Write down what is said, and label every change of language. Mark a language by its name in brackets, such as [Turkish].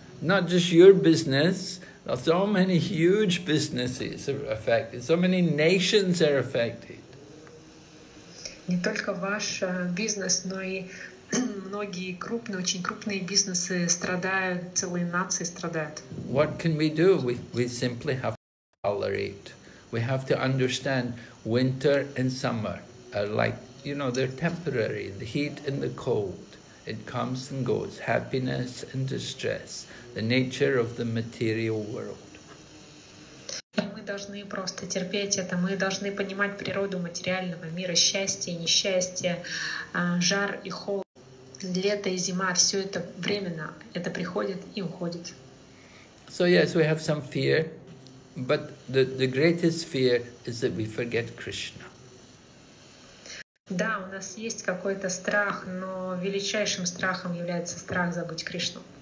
[English] Not just your business, so many huge businesses are affected, so many nations are affected. [Russian] Не только ваш бизнес, но и многие крупные, очень крупные бизнесы страдают, целые нации страдают. [English] What can we do? We simply have to tolerate. We have to understand winter and summer are like, you know, they're temporary. The heat and the cold, it comes and goes. Happiness and distress, the nature of the material world. [Russian] Мы должны просто терпеть это, мы должны понимать природу материального мира, счастье, несчастье, жар и холод, лето и зима, все это временно, это приходит и уходит. [English] So yes, we have some fear, but the greatest fear is that we forget Krishna. [Russian] Да, у нас есть какой-то страх, но величайшим страхом является страх забыть Кришну.